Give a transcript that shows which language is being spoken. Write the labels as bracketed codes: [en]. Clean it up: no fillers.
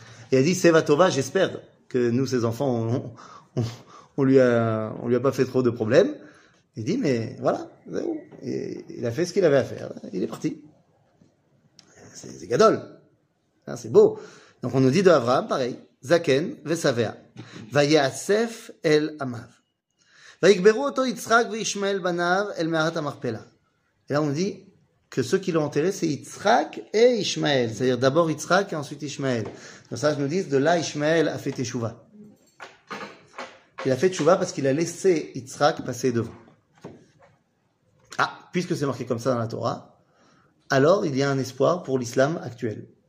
[fr] Il a dit, Seva Tova, j'espère que nous, ses enfants, on lui a pas fait trop de problèmes. Il dit, mais voilà, vous savez où? Et il a fait ce qu'il avait à faire. Il est parti. C'est gadol. Hein, c'est beau. Donc on nous dit de Avraham, pareil. [he] Zaken, Vesaver. Vayasef el Amav. ויקברו אותו יצחק וישמעאל בניו אל מערת המכפלה. [fr] Et là on dit que ceux qui l'ont enterré c'est Yitzhak et Ishmael, c'est-à-dire d'abord Yitzhak et ensuite Ishmael. Donc ça, je nous dis de là Ishmael a fait teshuva. Il a fait teshuva parce qu'il a laissé Yitzhak passer devant. Ah, puisque c'est marqué comme ça dans la Torah, alors il y a un espoir pour l'islam actuel.